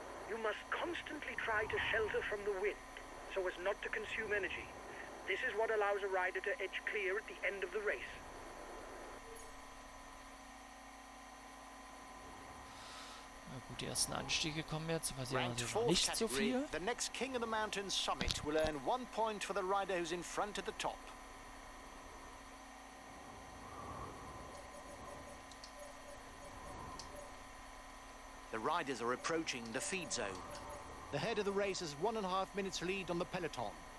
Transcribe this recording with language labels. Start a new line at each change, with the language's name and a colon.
English: You must constantly try to shelter from the wind, so as not to consume energy. This is what allows a rider to edge clear at the end of the race.
German: Na gut, die ersten Anstiege kommen jetzt, aber sie haben natürlich nicht so viel.
English: The next king of the mountain summit will earn 1 point for the rider who's in front at the top. The riders are approaching the feed zone. The head of the race has 1.5 minutes lead on the peloton.